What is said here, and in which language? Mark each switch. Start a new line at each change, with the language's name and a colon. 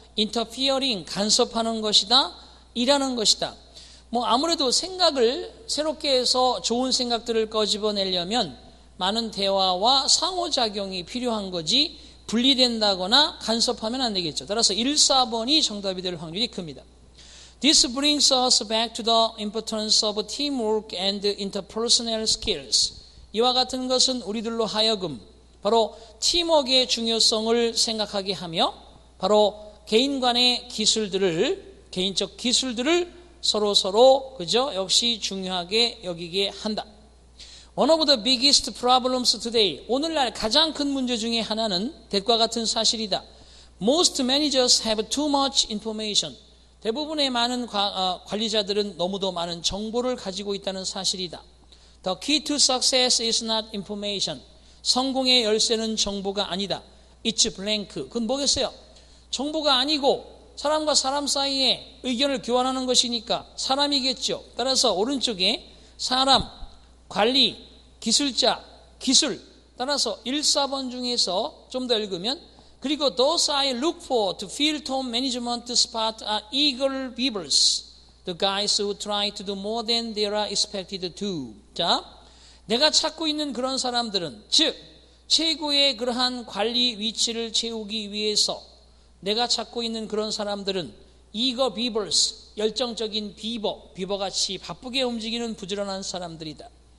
Korean: interfering 간섭하는 것이다. 일하는 것이다. 뭐 아무래도 생각을 새롭게 해서 좋은 생각들을 꺼집어내려면 많은 대화와 상호작용이 필요한 거지 분리된다거나 간섭하면 안 되겠죠. 따라서 1, 4번이 정답이 될 확률이 큽니다.
English: This brings us back to the importance of teamwork and interpersonal skills.
Korean: 이와 같은 것은 우리들로 하여금 바로 팀워크의 중요성을 생각하게 하며 바로 개인 간의 기술들을 개인적 기술들을 서로서로 그죠? 역시 중요하게 여기게 한다.
English: One of the biggest problems today.
Korean: 오늘날 가장 큰 문제 중에 하나는 대과 같은 사실이다.
English: Most managers have too much information.
Korean: 대부분의 많은 관리자들은 너무도 많은 정보를 가지고 있다는 사실이다.
English: The key to success is not information.
Korean: 성공의 열쇠는 정보가 아니다.
English: It's blank.
Korean: 그건 뭐겠어요? 정보가 아니고 사람과 사람 사이에 의견을 교환하는 것이니까 사람이겠죠. 따라서 오른쪽에 사람, 관리, 기술자, 기술. 따라서 1, 4번 중에서 좀 더 읽으면 그리고
English: those I look for to fill top management spot are eager beavers. The guys who try to do more than they are expected to.
Korean: 자, 내가 찾고 있는 그런 사람들은 즉 최고의 그러한 관리 위치를 채우기 위해서 내가 찾고 있는 그런 사람들은
English: eager beavers,
Korean: 열정적인 비버, 비버같이 바쁘게 움직이는 부지런한 사람들이다.